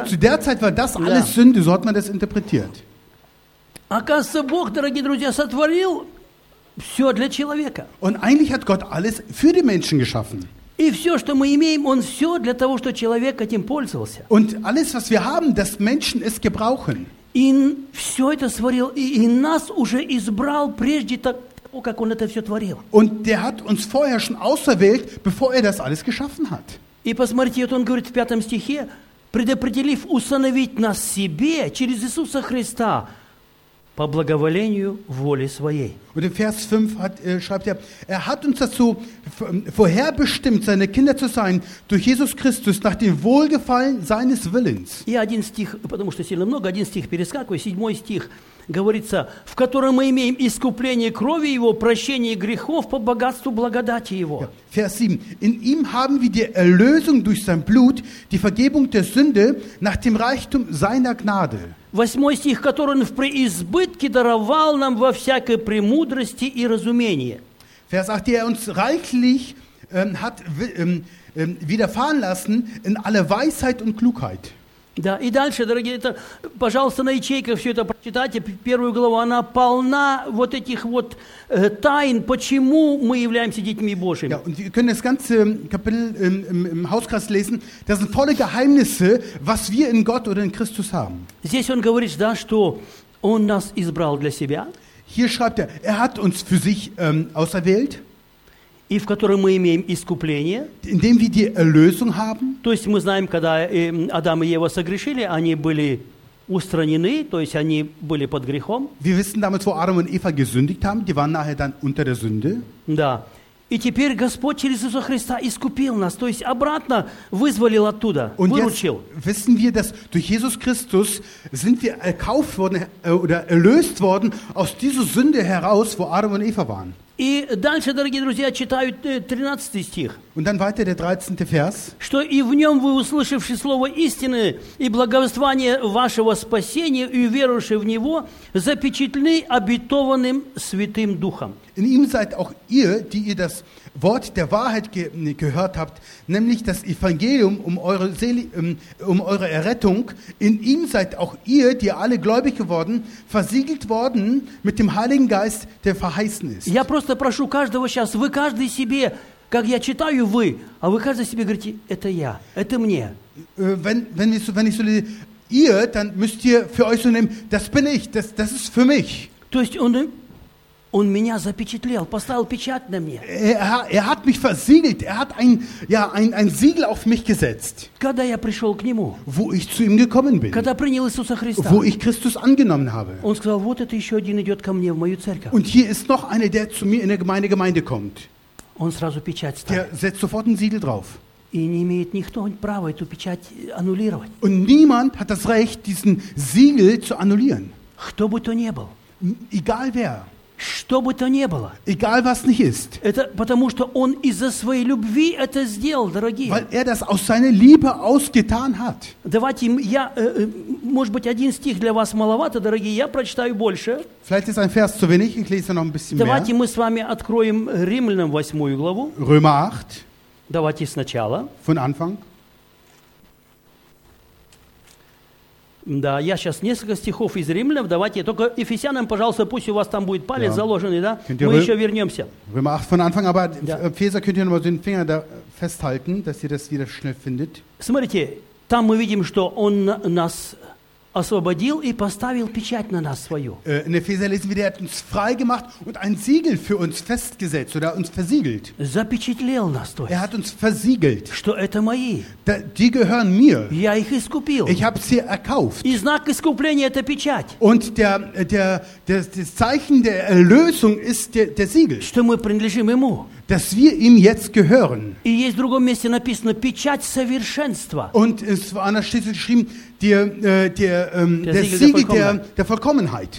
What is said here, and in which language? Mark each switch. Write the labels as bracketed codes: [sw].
[de] Zu der Zeit war das alles Sünde, so hat man das interpretiert. [ru] Оказывается, Бог, дорогие друзья, сотворил все для человека. [de] Und eigentlich hat Gott alles für die Menschen geschaffen. [ru] И все, что мы имеем, он все для того, что человек этим пользовался. [de] Und alles, was wir haben, dass Menschen es gebrauchen. [ru] И все это сотворил, и нас уже избрал прежде того, как он это все творил. [de] Und der hat uns vorher schon auserwählt, bevor er das alles geschaffen hat. [ru] И посмотрите, вот он говорит в 5 стихе, предопределив усыновить нас себе через Иисуса Христа, по благоволению воли своей. [de] Und in Vers 5 schreibt er, er hat uns dazu vorherbestimmt, seine Kinder zu sein, durch Jesus Christus, nach dem Wohlgefallen seines Willens. [ru] И один стих, потому что сильно много, один стих перескакиваю, 7 стих, говорится, в котором мы имеем искупление крови Его, прощение грехов по богатству благодати Его. [de] Ja, Vers 7, in ihm haben wir die Erlösung durch sein Blut, die Vergebung der Sünde, nach dem Reichtum seiner Gnade. [ru] 8 стих, который он в преизбытке даровал нам во всякой премудрости и разумении. [de] Vers 8, der uns reichlich hat widerfahren lassen in aller Weisheit und Klugheit. [ru] Да, и дальше, дорогие, это, пожалуйста, на ячейках все это прочитайте, первую главу, она полна вот этих вот тайн, почему мы являемся детьми Божьими. [de] Ja, und wir können das ganze Kapitel im Hauskreis lesen, das sind volle Geheimnisse, was wir in Gott oder in Christus haben. [ru] Здесь он говорит, да, что он нас избрал для себя. [de] Hier schreibt er hat uns für sich auserwählt. [ru] И в котором мы имеем искупление. [de] In dem wir die Erlösung haben. [ru] То есть мы знаем, когда Адам и Ева согрешили, они были устранены, то есть они были под грехом. [de] Wir wissen damals, wo Adam und Eva gesündigt haben, die waren nachher dann unter der Sünde. [ru] Да. И теперь Господь через Иисуса Христа искупил нас, то есть обратно вызволил оттуда, [de] und [ru] выручил. [de] Jetzt wissen wir, dass durch Jesus Christus sind wir erkauft worden oder erlöst worden aus dieser Sünde heraus, wo Adam und Eva waren. [ru] И дальше, дорогие друзья, читаю 13 стих. [de] Und dann weiter der 13. Vers. [ru] Что и в нем вы, услышавши слово истины и благовествование вашего спасения и уверовавши в него, запечатлены обетованным Святым Духом. [de] In ihm seid auch ihr, die ihr das Wort der Wahrheit gehört habt, nämlich das Evangelium um eure Errettung. In ihm seid auch ihr, die alle gläubig geworden, versiegelt worden mit dem Heiligen Geist, der verheißen ist. [ru] Я просто прошу каждого сейчас, вы каждый себе, как я читаю вы, а вы каждый себе говорите, это я, это мне. [de] Wenn ich so ihr, dann müsst ihr für euch so nehmen, das bin ich, das ist für mich. [ru] То есть он Он меня запечатлел, поставил печать на мне. [de] Er hat mich versiegelt. Er hat ein Siegel auf mich gesetzt. [ru] Когда я пришел к нему? [de] Wo ich zu ihm gekommen bin. [ru] Когда принял Иисуса Христа? [de] Wo ich Christus angenommen habe. [ru] Он сказал: Вот это еще один идет ко мне в мою церковь. [de] Und hier ist noch einer, der zu mir in der Gemeinde kommt. [ru] Он сразу печать ставит. [de] Der setzt sofort ein Siegel drauf. [ru] И не имеет никто права эту печать аннулировать. [de] Und niemand hat das Recht, diesen Siegel zu annullieren. [ru] Кто бы то ни был. [de] Egal wer. [ru] Что бы то ни было. [de] Egal, was nicht ist. [ru] Это потому, что он из-за своей любви это сделал, дорогие. [de] Weil er das aus seiner Liebe ausgetan hat. [ru] Давайте я, может быть, один стих для вас маловато, дорогие, я прочитаю больше. [de] Vielleicht ist ein Vers zu wenig, ich lese noch ein bisschen [ru] Давайте [de] mehr. [ru] Мы с вами откроем Римлянам 8 главу. [de] Römer 8. [ru] Давайте сначала. [de] Von Anfang. [ru] Да, я сейчас несколько стихов из Римлян. Давайте только Ефесянам, пожалуйста, пусть у вас там будет палец заложенный, да? Мы еще вернемся. Вы можете [de] von Anfang, aber Epheser könnt ihr nochmal den Finger da festhalten, dass ihr das wieder schnell findet. [ru] Смотрите, там мы видим, что он нас освободил и поставил печать на нас свою. [de] In Epheser lesen wir, er hat uns frei gemacht und ein Siegel für uns festgesetzt oder uns versiegelt. [ru] Запечатлел нас, то есть. [de] Er hat uns versiegelt. [ru] Что это мои. [de] Die gehören mir. [ru] Я их искупил. [de] Ich habe sie erkauft. [ru] И знак искупления – это печать. [de] Und das Zeichen der Erlösung ist der Siegel. [ru] Что мы принадлежим ему. [de] Dass wir ihm jetzt gehören. [ru] И есть в другом месте написано «печать совершенства». [de] Und es war an der Schlüssel geschrieben, der Siegel der Vollkommenheit.